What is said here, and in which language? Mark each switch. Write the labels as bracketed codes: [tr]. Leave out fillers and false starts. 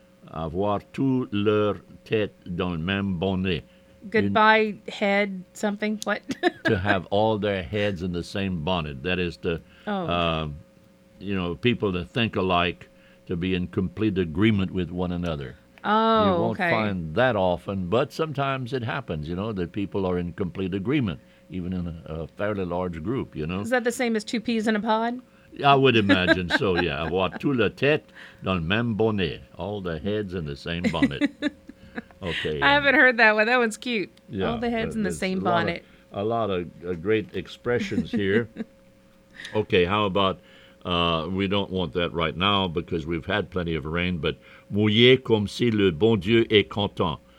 [fr] Avoir tout leur tête dans le même bonnet. [en] Goodbye, head, something, what? To have all their heads in the same bonnet. That is to, you know, people that think alike, to be in complete agreement with one another. Oh, okay. You won't okay. find that often, but sometimes it happens, you know, that people are in complete agreement, even in a fairly large group, you know. Is that the same as two peas in a pod? I would imagine so, yeah. [fr] Avoir tout la tête dans le même bonnet. [en] All the heads in the same bonnet. Okay. I haven't heard that one. That one's cute. Yeah, all the heads in the same bonnet. A lot of great expressions here. Okay, how about, we don't want that right now because we've had plenty of rain, but [fr] mouiller comme si le bon Dieu est content.